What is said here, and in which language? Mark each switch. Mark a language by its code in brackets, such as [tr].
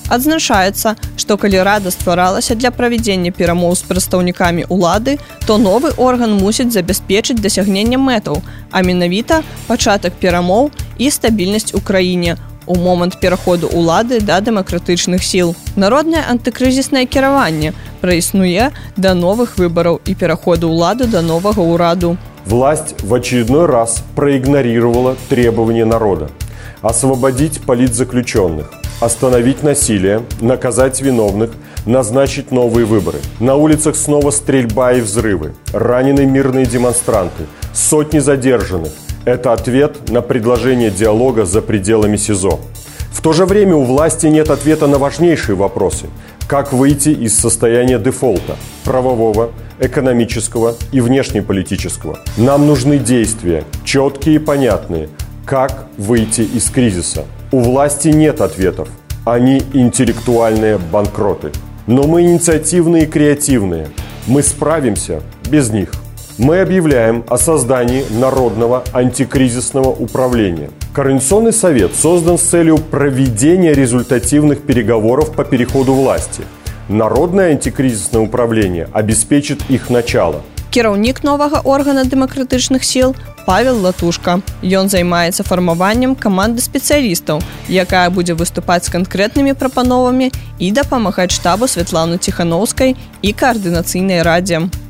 [be] Адзначаецца, што калі рада стваралася для правядзення перамоў з прадстаўнікамі улады, то новы орган мусіць забяспечыць дасягненне мэтаў, а менавіта пачатак перамоў і стабільнасць у краіне – у момант пераходу улады да дэмакратычных сіл. Народнае антыкрызіснае кіраванне праіснуе да новых выбараў і пераходу ўлады да новага ўраду. [ru] Власть в очередной раз проигнорировала требования народа освободить политзаключенных, остановить насилие, наказать виновных, назначить новые выборы. На улицах снова стрельба и взрывы, ранены мирные демонстранты, сотни задержанных. Это ответ на предложение диалога за пределами СИЗО. В то же время у власти нет ответа на важнейшие вопросы. Как выйти из состояния дефолта – правового, экономического и внешнеполитического? Нам нужны действия, четкие и понятные. Как выйти из кризиса? У власти нет ответов. Они интеллектуальные банкроты. Но мы инициативные и креативные. Мы справимся без них. Мы объявляем о создании народного антикризисного управления. Координационный совет создан с целью проведения результативных переговоров по переходу власти. Народное антикризисное управление обеспечит их начало. [be] Кіраўнік новага органа дэмакратычных сіл Павел Латушка. Ён займаецца фармаваннем каманды спецыялістаў, якая будзе выступаць з канкрэтнымі прапановамі і дапамагаць штабу Светланы Ціхановскай і каардынацыйнай радзе.